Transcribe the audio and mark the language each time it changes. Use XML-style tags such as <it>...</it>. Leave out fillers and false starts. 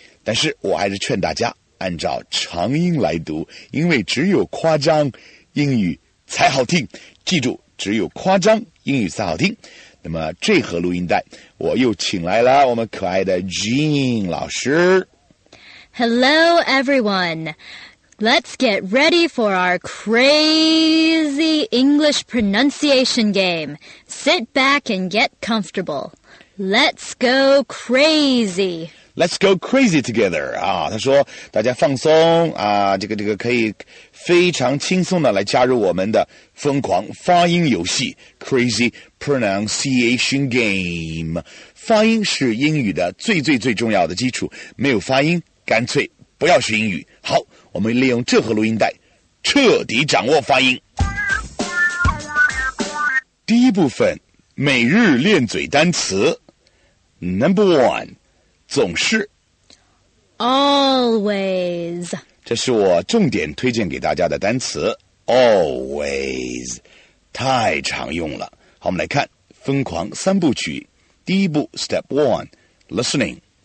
<zh>但是我还是劝大家按照长音来读，因为只有夸张英语才好听，记住，只有夸张英语才好听。那么这盒录音带我又请来了我们可爱的 Jean 老师。</zh> <en>Hello, everyone. Let's get ready for our crazy English pronunciation game. Sit back and get comfortable. Let's go crazy. Let's go crazy together.</en> <zh>啊，他说大家放松啊，这个可以非常轻松的来加入我们的疯狂发音游戏</zh> <en>Crazy Pronunciation Game.</en> <zh>发音是英语的最最最重要的基础，没有发音干脆不要学英语。好，我们利用这盒录音带彻底掌握发音。第一部分，每日练嘴单词。</zh> <en>Number one，</en> <zh>总是。</zh> <en>Always，</en> <zh>这是我重点推荐给大家的单词。Always 太常用了。好，我们来看疯狂三部曲。第一步</zh> <en>Step one，</en> <zh>Listening。</zh>